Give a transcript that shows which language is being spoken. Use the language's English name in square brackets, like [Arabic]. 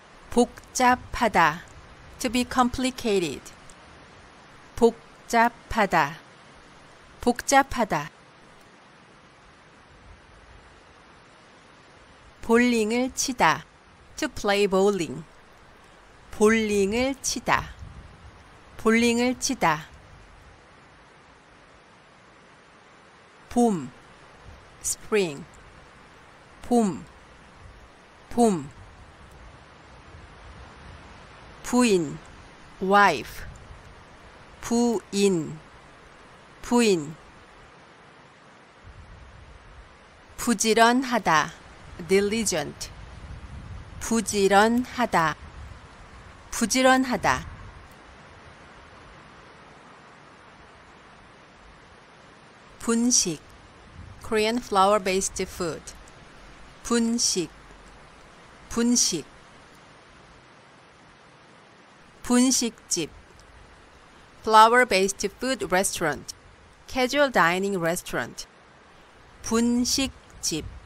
[English] 복잡하다, to be complicated. [Korean] 복잡하다, 복잡하다. 볼링을 치다, [English] to play bowling. [Korean] 볼링을 치다, 볼링을 치다. 봄, spring. 봄, 봄. 부인, wife. 부인, 부인. 부지런하다, diligent. 부지런하다, 부지런하다. [English] 분식, Korean flour-based food. [Korean] 분식, 분식. [English] 분식집, flour-based food restaurant, casual dining restaurant. 분식집,